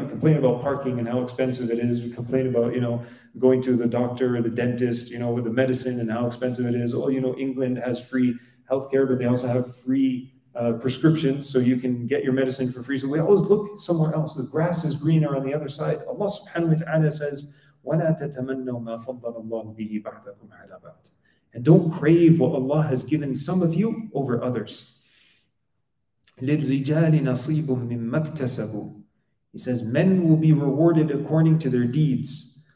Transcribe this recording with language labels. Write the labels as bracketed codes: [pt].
[en] We complain about parking and how expensive it is. We complain about, you know, going to the doctor or the dentist, you know, with the medicine and how expensive it is. Oh, you know, England has free healthcare, but they also have free prescriptions, so you can get your medicine for free. So we always look somewhere else. The grass is greener on the other side. Allah subhanahu wa ta'ala says, [ar] وَلَا تَتَمَنَّوا مَا فَضَّلَ اللَّهُ بِهِ بَعْدَكُمْ عَلَى بَعْدٍ. [en] And don't crave what Allah has given some of you over others. [ar] لِلْرِجَالِ نَصِيبٌ مِمَّا اكْتَسَبُوا. [en] He says, men will be rewarded according to their deeds.